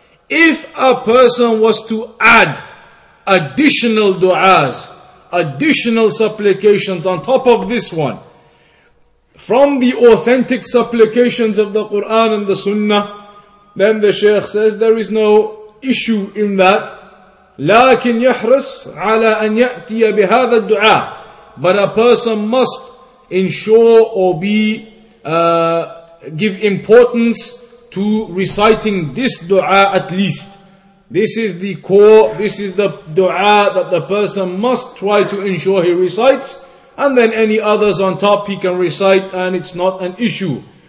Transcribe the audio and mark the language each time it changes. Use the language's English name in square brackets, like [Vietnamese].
[English] If a person was to add additional du'as, additional supplications on top of this one, from the authentic supplications of the Qur'an and the Sunnah, then the Shaykh says there is no issue in that. [Arabic] لكن يحرص على أن يأتي بهذا الدعاء. [English] But a person must ensure or be give importance to reciting this dua at least. This is the core, this is the dua that the person must try to ensure he recites, and then any others on top he can recite and it's not an issue.